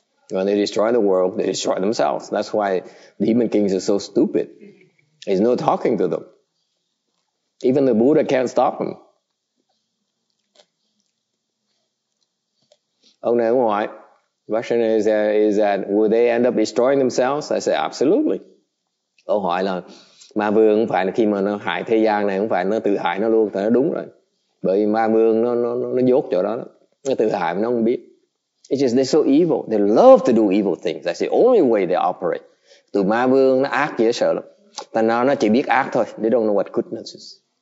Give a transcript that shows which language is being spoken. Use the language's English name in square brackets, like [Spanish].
[English] When they destroy the world, they destroy themselves. That's why Demon Kings are so stupid. There's no talking to them. Even the Buddha can't stop them. [Vietnamese] Ông này ông ngoại, [English] question is that, will they end up destroying themselves? I say, absolutely. [Vietnamese] Câu hỏi là, Ma Vương không phải là khi mà nó hại thế gian này, không phải nó tự hại nó luôn, thì nó đúng rồi. Bởi vì Ma Vương nó dốt chỗ đó, nó tự hại mà nó không biết. [English] It's just they're so evil, they love to do evil things. That's the only way they operate. [Vietnamese] Tụi Ma Vương nó ác dễ sợ lắm. Tại nó chỉ biết ác thôi, [English] they don't know what goodness is.